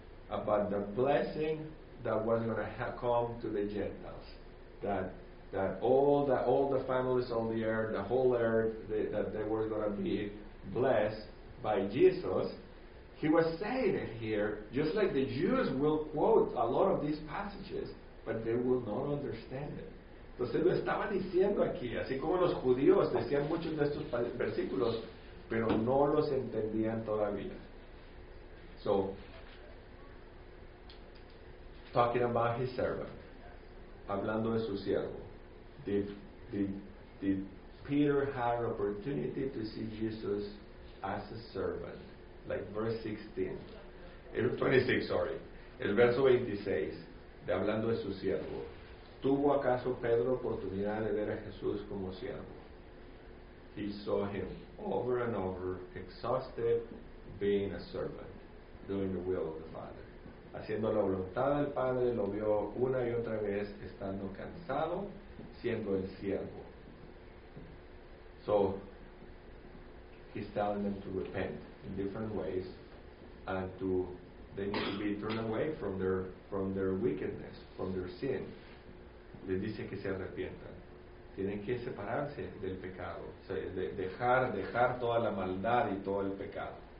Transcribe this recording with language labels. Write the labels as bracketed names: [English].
[English] About the blessing that was going to come to the Gentiles. That all the families on the earth, the whole earth, that they were going to be blessed by Jesus. He was saying it here, just like the Jews will quote a lot of these passages, but they will not understand it. [Spanish] Entonces lo estaba diciendo aquí, así como los judíos decían muchos de estos versículos, pero no los entendían todavía. [English] So, talking about his servant, [Spanish] hablando de su siervo, [English] did Peter had an opportunity to see Jesus as a servant, like verse 16, 26, sorry, [Spanish] el verso 26, de hablando de su siervo, ¿tuvo acaso Pedro oportunidad de ver a Jesús como siervo? [English] He saw him over and over, exhausted, being a servant, doing the will of the Father. [Spanish] Haciendo la voluntad del Padre, lo vio una y otra vez, estando cansado, siendo el siervo. [English] So, he's telling them to repent in different ways, and to they need to be turned away from their wickedness, from their sin. [Spanish] Les dice que se arrepientan. Tienen que separarse del pecado, o sea, dejar toda la maldad y todo el pecado.